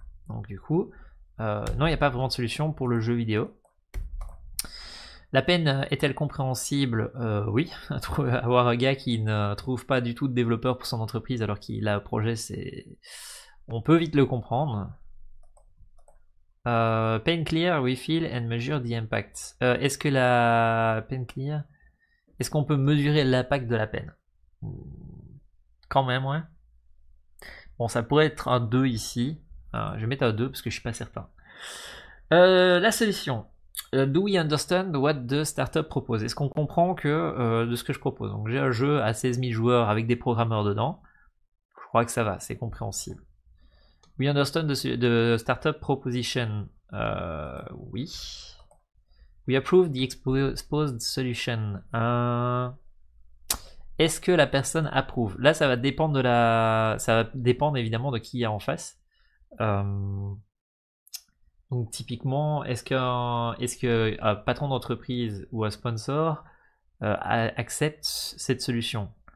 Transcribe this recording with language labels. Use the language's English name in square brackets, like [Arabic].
[French] Donc du coup, non, il n'y a pas vraiment de solution pour le jeu vidéo. La peine est-elle compréhensible? Oui, avoir un gars qui ne trouve pas du tout de développeur pour son entreprise alors qu'il a un projet, c'est. On peut vite le comprendre. [English] Pain clear, we feel and measure the impact. [French] Est-ce que la [English] pain clear. [French] Est-ce qu'on peut mesurer l'impact de la peine? Quand même, ouais. Bon, ça pourrait être un 2 ici. Je vais mettre un 2 parce que je suis pas certain. La solution. [English] Do we understand what the startup propose? [French] Est-ce qu'on comprend que de ce que je propose? Donc j'ai un jeu à 16 000 joueurs avec des programmeurs dedans. Je crois que ça va, c'est compréhensible. [English] We understand the startup proposition. Oui. We approve the exposed solution. [French] Est-ce que la personne approuve? Là, ça va dépendre de la. Ça va dépendre évidemment de qui il y a en face. Donc typiquement, est-ce qu'un patron d'entreprise ou un sponsor accepte cette solution?